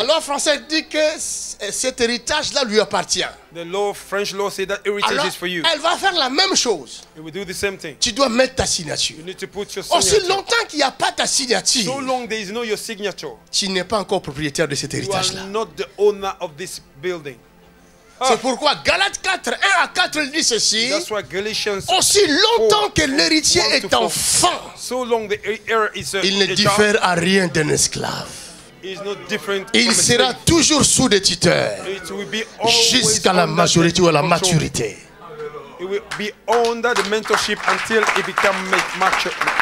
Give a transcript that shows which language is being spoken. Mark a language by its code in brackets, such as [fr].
[fr] La loi française dit que cet héritage-là lui appartient. [en] The law, French law say that heritage [fr] alors, [en] is for you. [fr] Elle va faire la même chose. [en] It will do the same thing. [fr] Tu dois mettre ta signature. [en] You need to put your signature. [fr] Aussi longtemps qu'il n'y a pas ta signature. [en] So long there is no your signature. [fr] Tu n'es pas encore propriétaire de cet héritage-là. [en] You are not the owner of this building. [fr] C'est pourquoi Galates 4, 1 à 4 dit ceci. [en] That's why Galatians [fr] aussi longtemps 4, que l'héritier est enfant, [en] so long the heir is a, [fr] il ne diffère à rien d'un esclave. Il sera toujours sous des tuteurs jusqu'à la majorité ou à la maturité. [en] It will be under the mentorship until it becomes mature.